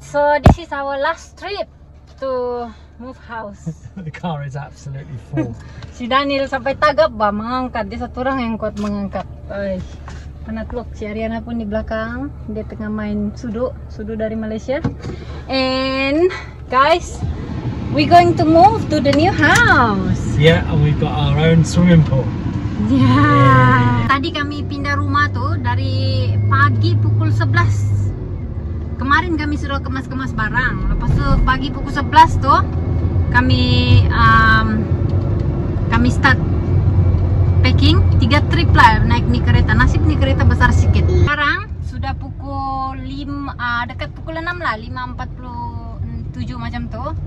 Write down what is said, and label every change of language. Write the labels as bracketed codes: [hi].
[en] So this is our last trip to move house. The car is absolutely full. [ms] Si Daniel sampai tagap bah mengangkat. Dia satu orang yang kuat mengangkat. Oi. Penat look. Si Ariana pun di belakang. Dia tengah main sudo. Sudo dari Malaysia. [en] And guys, we going to move to the new house. Yeah, and we got our own swimming pool. Yeah. [ms] Tadi kami pindah rumah tuh dari pagi pukul 11. Kemarin kami suruh kemas-kemas barang. Lepas tu pagi pukul 11 tu kami kami start packing. 3 trip lah naik ni kereta. Nasib ni kereta besar sikit. Sekarang sudah pukul 5, dekat pukul 6 lah, 5.47 macam tu.